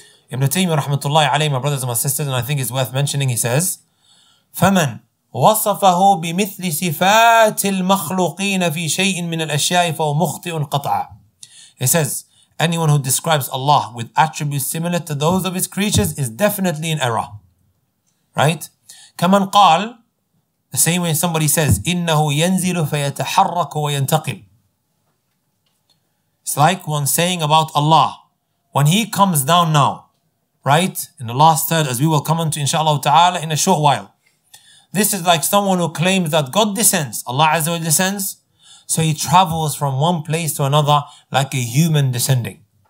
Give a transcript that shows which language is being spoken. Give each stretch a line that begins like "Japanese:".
English: Ibn Taymiyyah rahmatullahi alayhi, my brothers and my sisters, and I think it's worth mentioning, he says,
Arabic: فَمَنْ وَصَفَهُ بِمِثْلِ صِفَاتِ الْمَخْلُقِينَ فِي شَيْءٍ مِنَ الْأَشْيَاءِ فَهُ مُخْطِئٌ قَطْعًا.
English: He says, anyone who describes Allah with attributes similar to those of his creatures is definitely in error. Right?
Arabic: كَمَنْ قَال,
English: the same way somebody says,
Arabic: إِنَّهُ يَنْزِلُ فَيَتَحَرَّكُ وَيَنْتَقِلُ.
English: It's like one saying about Allah, when he comes down now, right, in the last third, as we will come into inshallah ta'ala in a short while, this is like someone who claims that God descends, Allah Azza wa Jalla descends, so he travels from one place to another like a human descending.